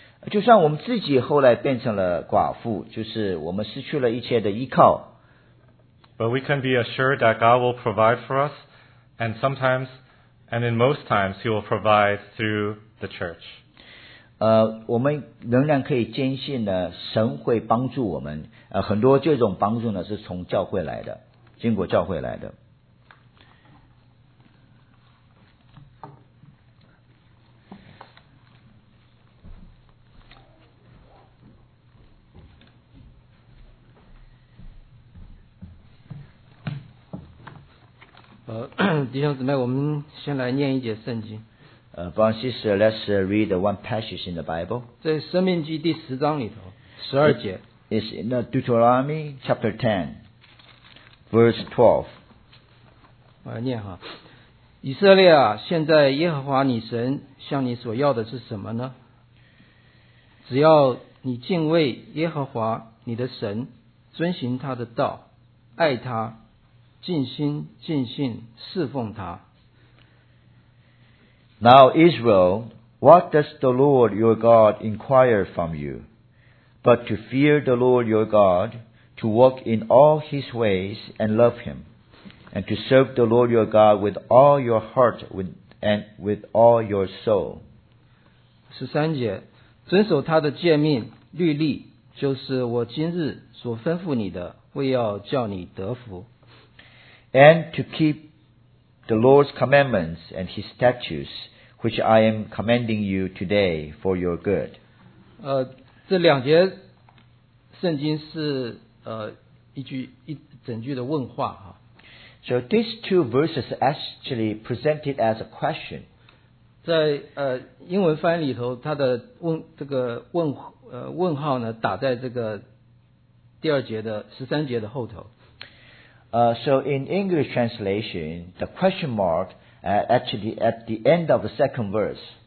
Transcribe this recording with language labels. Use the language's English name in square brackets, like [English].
[Chinese] 就算我们自己后来变成了寡妇，就是我们失去了一切的依靠。 [English] But we can be assured that God will provide for us, and sometimes, and in most times, He will provide through the church. [Chinese] 我们仍然可以坚信呢，神会帮助我们。很多这种帮助呢，是从教会来的，经过教会来的。弟兄姊妹，我们先来念一节圣经。 [English] Francis, let's read one passage in the Bible. [Chinese] 在《生命记》第十章里头，十二节。 [English] It's in the Deuteronomy chapter 10, verse 12. [Chinese] 我要念哈。以色列啊，现在耶和华你神向你所要的是什么呢？只要你敬畏耶和华你的神，遵行他的道，爱他，尽心尽性侍奉他。 [English] Now Israel, what does the Lord your God inquire from you? But to fear the Lord your God, to walk in all his ways and love him, and to serve the Lord your God with all your heart and with all your soul. [Chinese] 十三节，遵守他的诫命、律例，就是我今日所吩咐你的，为要叫你得福。 [English] And to keep the Lord's commandments and his statutes, which I am commanding you today for your good. [Chinese] 这两节圣经是一整句的问话哈。 [English] So these two verses actually presented as a question. [Chinese] 在英文翻译里头，它的问号呢打在这个第二节的十三节的后头。 [English] So in English translation, the question mark actually at the end of the second verse.